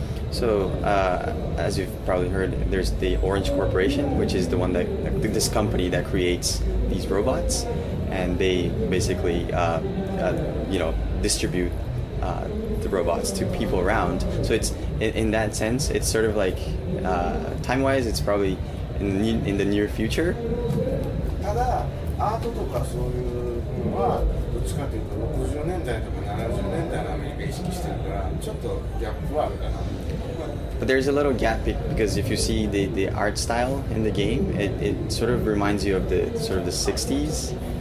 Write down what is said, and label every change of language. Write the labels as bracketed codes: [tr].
[en] So, as you've probably heard, there's the Orange Corporation, which is the one that this company that creates these robots, and they basically, you know, distribute the robots to people around. So it's in that sense, it's sort of like time-wise, it's probably in the near future. [ja] ただ、アートとかそういうのはちかというと60年代とか70年代のアメリカ意識してるからちょっとギャップはあるかな。 [en] But there's a little gap because if you see the art style in the game, it sort of reminds you of the sort of the 60s.